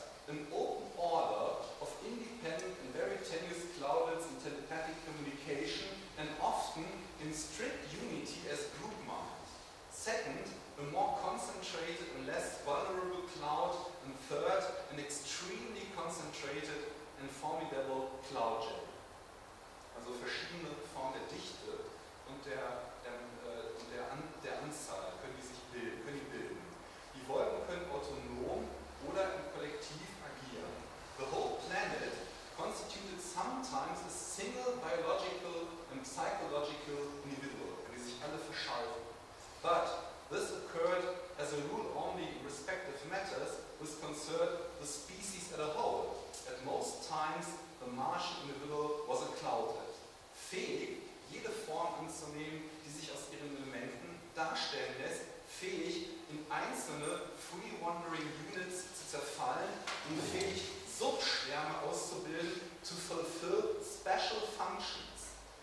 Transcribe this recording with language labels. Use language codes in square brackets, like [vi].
[en] an open order of independent and very tenuous cloudlets in telepathic communication, and often in strict unity as group minds. Second, a more concentrated and less vulnerable cloud, and third, an extremely concentrated and formidable cloud jet. [de] Also verschiedene Formen der Dichte und der Anzahl können die bilden. Die Wolken können autonom oder im Kollektiv agieren. [en] The whole planet constituted sometimes a single biological and psychological individual, [de] wenn die sich alle verschalten. [en] But this occurred as a rule only in respective matters which concerned the species at a whole. At most times the Martian individual was a cloudhead, [de] fähig, jede Form anzunehmen, die sich aus ihren Elementen darstellen lässt, fähig, in einzelne [en] free-wandering units [de] zu zerfallen und fähig, Subschwärme auszubilden, [en] to fulfill special functions.